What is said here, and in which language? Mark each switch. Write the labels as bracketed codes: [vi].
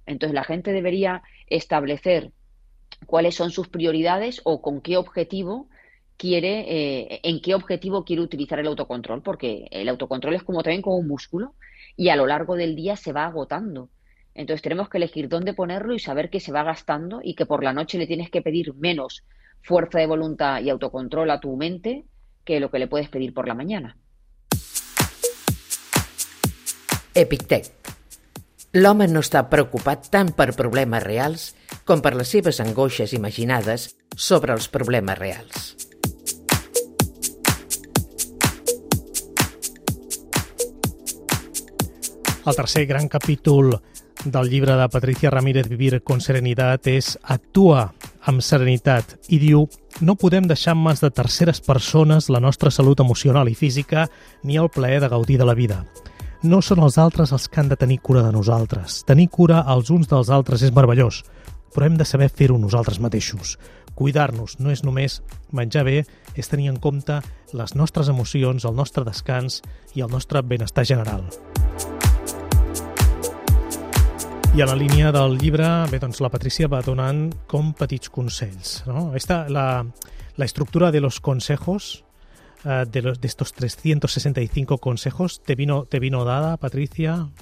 [es] Entonces la gente debería establecer cuáles son sus prioridades o con qué objetivo quiere utilizar el autocontrol, porque el autocontrol es como también como un músculo y a lo largo del día se va agotando. Entonces tenemos que elegir dónde ponerlo y saber que se va gastando y que por la noche le tienes que pedir menos fuerza de voluntad y autocontrol a tu mente que lo que le puedes pedir por la mañana. [ca] Epictet. L'home no està preocupat tant per problemes reals com per les seves angoixes imaginades sobre els problemes reals. El tercer gran capítol del llibre de Patricia Ramírez, Vivir con serenidad, és Actua amb serenitat, i diu: no podem deixar en mans de terceres persones la nostra salut emocional i física ni el plaer de gaudir de la vida. No són els altres els que han de tenir cura de nosaltres. Tenir cura els uns dels altres és meravellós, però hem de saber fer-ho nosaltres mateixos. Cuidar-nos no és només menjar bé, és tenir en compte les nostres emocions, el nostre descans i el nostre benestar general. I a la línia del llibre, bé, doncs la Patricia va donant com petits consells, no? [es] Esta, la estructura de los consejos, de estos 365 consejos, ¿te vino dada, Patricia?